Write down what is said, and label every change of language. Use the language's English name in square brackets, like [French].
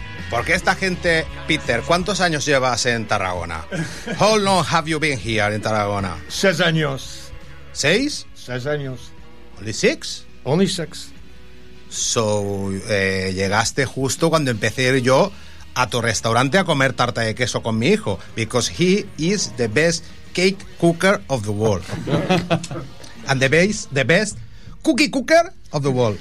[Spanish] Porque esta gente, Peter, ¿cuántos años llevas en Tarragona? [English] How long have you been here in Tarragona? [Spanish] 6 años. ¿Seis? 6 años. [English] Only six? Only six. [Spanish] So, llegaste justo cuando empecé yo a tu restaurante a comer tarta de queso con mi hijo. [English] Because he is the best cake cooker of the world. And the best cookie cooker of the world.